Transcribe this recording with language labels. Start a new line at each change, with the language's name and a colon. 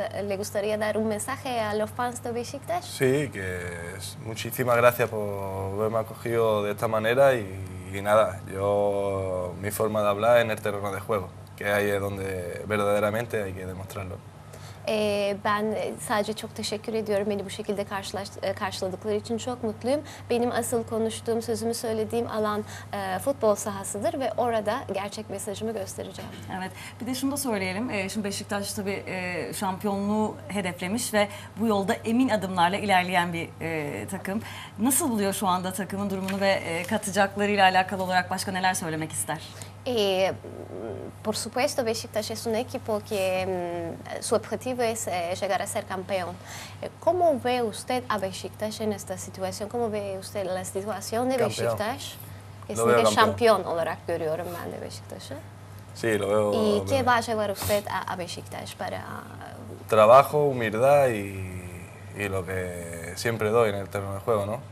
Spanish: ¿Le gustaría dar un mensaje a los fans de Beşiktaş? Sí, que muchísimas gracias por haberme acogido de esta manera. Y nada, yo mi forma de hablar en el terreno de juego. Que ahí es donde verdaderamente hay que demostrarlo.
Turkish: Ben sadece çok teşekkür ediyorum. Beni bu şekilde karşıladıkları için çok mutluyum. Benim asıl konuştuğum, sözümü söylediğim alan futbol sahasıdır ve orada gerçek mesajımı göstereceğim. Evet. Bir de şunu da söyleyelim. Şimdi Beşiktaş tabii şampiyonluğu hedeflemiş ve bu yolda emin adımlarla ilerleyen bir takım. Nasıl buluyor şu anda takımın durumunu ve katacakları ile alakalı olarak başka neler söylemek ister?
Spanish: Por supuesto, Beşiktaş es un equipo que su objetivo es llegar a ser campeón. ¿Cómo ve usted a Beşiktaş en esta situación? ¿Cómo ve usted la situación de campeón. Beşiktaş? Es un
Turkish: campeón olarak görüyorum ben de Beşiktaş'ı.
Spanish: Sí, lo veo. ¿Y qué va a llevar usted a Beşiktaş para...? Trabajo, humildad y lo que siempre doy en el terreno de juego, ¿no?